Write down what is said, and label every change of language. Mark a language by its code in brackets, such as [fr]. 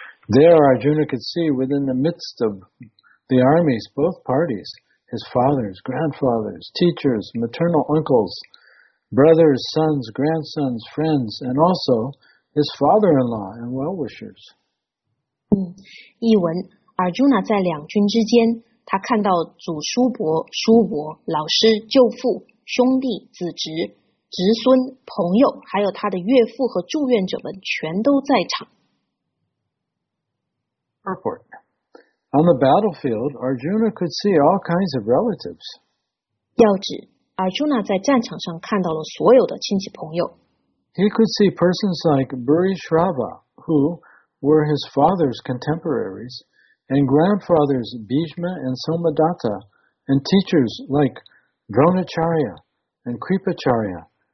[en] There Arjuna could see within the midst of the armies, both parties, his fathers, grandfathers, teachers, maternal uncles, brothers, sons, grandsons, friends, and also his father-in-law and well-wishers. [zh] 译文 Arjuna 在两军之间，他看到祖叔伯、叔伯、老师、舅父、兄弟、子侄侄孙、朋友，还有他的岳父和祝愿者们全都在场。 [en] Report. On the battlefield, Arjuna could see all kinds of relatives. [zh] 要指 Arjuna 在战场上看到了所有的亲戚朋友。 [en] He could see persons like Burishrava, who were his father's contemporaries, and grandfathers Bhishma and Somadatta, and teachers like Dronacharya and Kripacharya.